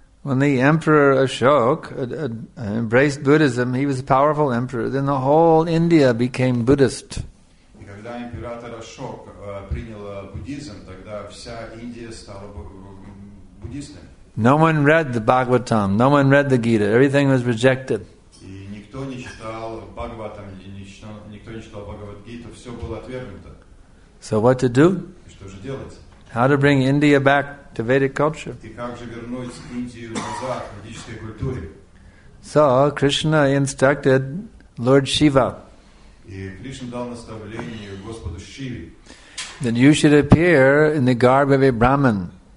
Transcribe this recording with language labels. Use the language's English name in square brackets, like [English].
[English] When the emperor Ashok embraced Buddhism, he was a powerful emperor. Then the whole India became Buddhist. [Russian] И когда император Ашок принял буддизм, тогда вся Индия стала буддистом. [English] No one read the Bhagavatam. No one read the Gita. Everything was rejected. [Russian] И никто не читал Бхагаватам, никто не читал Бхагавад-гиту, все было отвергнуто. [English] So what to do? [Russian] И что же делать? [English] How to bring India back to Vedic culture? [Russian] И как же вернуть Индию назад к ведической культуре? [English] So Krishna instructed Lord Shiva. [Russian] И Кришна дал наставление Господу Шиве. [English] Then you should appear in the garb of a Brahmin.